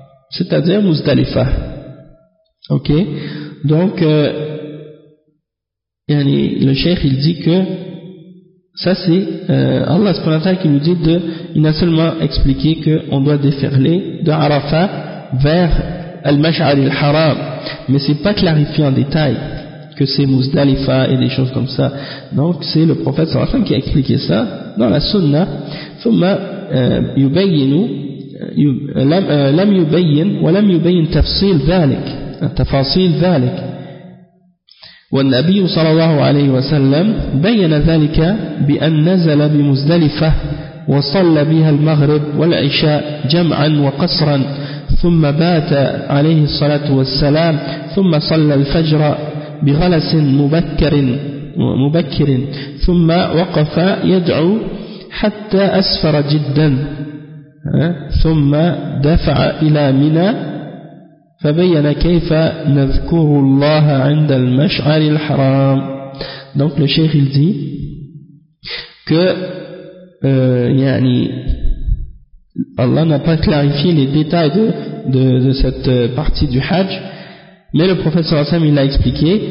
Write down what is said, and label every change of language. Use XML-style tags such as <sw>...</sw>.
<fr>C'est-à-dire Muzdalifa. Ok. Donc le cheikh il dit que ça c'est Allah subhanahu wa ta'ala qui nous dit de, il a seulement expliqué qu'on doit déferler de Arafat vers Al-Mash'ar al-Haram, mais c'est pas clarifié en détail que c'est Muzdalifa et des choses comme ça. Donc c'est le prophète sallallahu alayhi wa sallam qui a expliqué ça dans la sunna.</fr> <ar>Thumma yubayyinu لم يبين ولم يبين تفصيل ذلك تفاصيل ذلك والنبي صلى الله عليه وسلم بين ذلك بأن نزل بمزدلفة وصلى بها المغرب والعشاء جمعا وقصرا ثم بات عليه الصلاة والسلام ثم صلى الفجر بغلس مبكر ثم وقف يدعو حتى أسفر جدا ثم دفع إلى منى فبين كيف نذكر الله عند المشعر الحرام.</ar> <fr>Donc le cheikh il dit que يعني Allah n'a pas clarifié les détails de cette partie du Hajj, mais le prophète sallallahu alayhi wa sallam l'a expliqué.</fr>